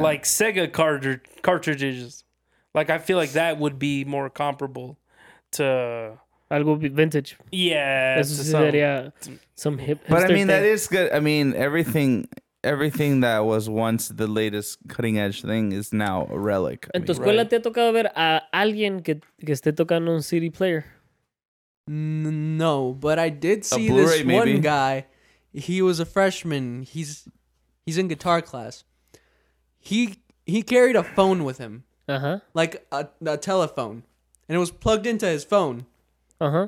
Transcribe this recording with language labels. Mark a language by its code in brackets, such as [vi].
[en] like Sega cartridges, like I feel like that would be more comparable to [es] algo vintage. [en] Yeah, some hip. But I mean, thing. That is good. I mean, everything that was once the latest cutting edge thing is now a relic. [es] ¿En tu escuela te ha tocado ver a alguien que esté tocando un CD player? [en] No, but I did see this one guy. He was a freshman. He's in guitar class. He carried a phone with him, uh-huh. like a telephone, and it was plugged into his phone, uh-huh.